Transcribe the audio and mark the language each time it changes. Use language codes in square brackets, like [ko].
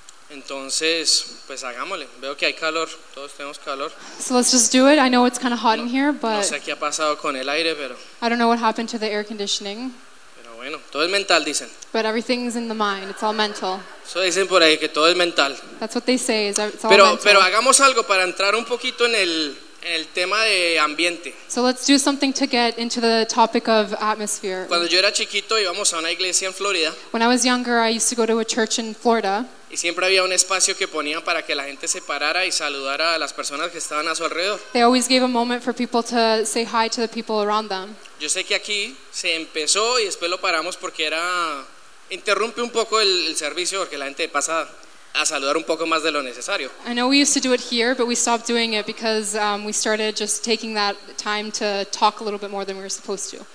[es] Entonces, pues hagámosle. Veo que hay calor. Todos tenemos calor. [en] So let's just do it. I know it's kind of hot in here, but [es] no sé qué ha pasado con el aire, pero [en] I don't know what happened to the air conditioning. [es] Pero bueno, todo es mental, dicen. [en] But everything's in the mind. It's all mental. [es] Eso dicen por ahí, que todo es mental. [en] That's what they say. It's all [es] pero, [en] mental. [es] Pero hagamos algo para entrar un poquito en el tema de ambiente. [en] So let's do something to get into the topic of atmosphere. [es] Cuando yo era chiquito íbamos a una iglesia en Florida. [en] When I was younger I used to go to a church in Florida. [es] Y siempre había un espacio que ponían para que la gente se parara y saludara a las personas que estaban a su alrededor. [en] They always gave a moment for people to say hi to the people around them. [es] Yo sé que aquí se empezó y después lo paramos porque era interrumpe un poco el servicio porque la gente pasa a saludar un poco más de lo necesario. [en] I know we used to do it here, but we stopped doing it because we started just taking that time to talk a little bit more than we were supposed to.